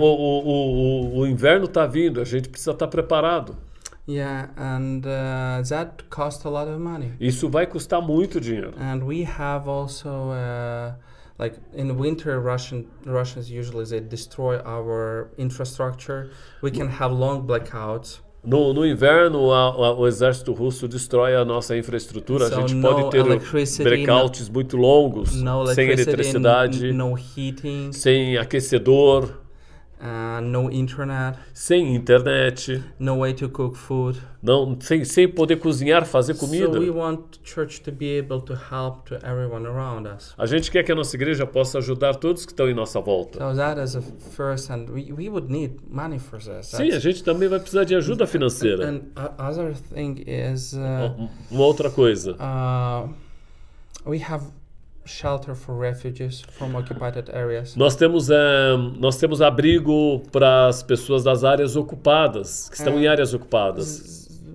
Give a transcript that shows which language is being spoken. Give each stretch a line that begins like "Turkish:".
Portuguese: O inverno está vindo, a gente precisa estar preparado.
English: Yeah, and that costs a lot of money.
Portuguese: Isso vai custar muito dinheiro.
English: And we have also, like in winter, Russians usually they destroy our infrastructure. We can have long blackouts.
Portuguese: No inverno, o exército russo destrói a nossa infraestrutura.
English: So
Portuguese: a gente pode ter blackouts muito longos, sem eletricidade,
English: no heating,
Portuguese: sem aquecedor.
English: No internet.
Portuguese: Sem internet.
English: No way to cook food.
Portuguese: Não, sem poder cozinhar, fazer comida.
English: So we want church to be able to help to everyone around us.
Portuguese: A gente quer que a nossa igreja possa ajudar todos que estão em nossa volta.
English: So that is a first and we would need money for this. That's
Portuguese: sim, a gente também vai precisar de ajuda financeira.
English: And other thing is
Portuguese: uma outra coisa.
English: We have shelter for refugees from occupied areas.
Portuguese: Nós temos abrigo para as pessoas das áreas ocupadas, que estão em áreas ocupadas.